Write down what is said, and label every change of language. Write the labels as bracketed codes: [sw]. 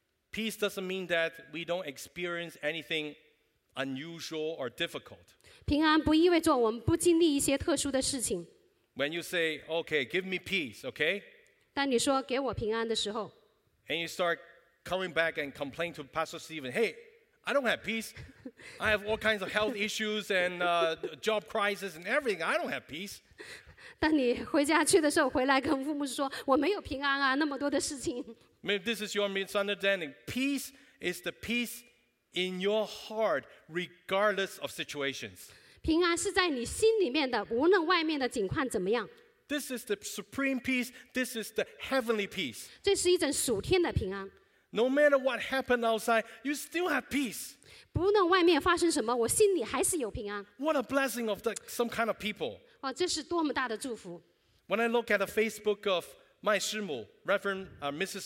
[en] Peace doesn't mean that we don't experience anything unusual or difficult. [zh] 平安不意味着我们不经历一些特殊的事情。 [en] When you say, "Okay, give me peace," okay? [zh] 当你说给我平安的时候 [en] and you start coming back and complain to Pastor Stephen, hey, I don't have peace. I have all kinds of health issues and job crisis and everything. I don't have peace. [zh] 当你回家去的时候回来跟父母说我没有平安啊那么多的事情 [en] Maybe this is your misunderstanding. Peace is the peace in your heart regardless of situations. [zh] 平安是在你心里面的无论外面的情况怎么样 [en] This is the supreme peace. This is the heavenly peace. [zh] 这是一种属天的平安。 [en] No matter what happened outside, you still have peace. [zh] 不论外面发生什么，我心里还是有平安。 [en] What a blessing of some kind of people. [zh] 哇，这是多么大的祝福。 [en] When I look at the Facebook of my 师母 Reverend Mrs.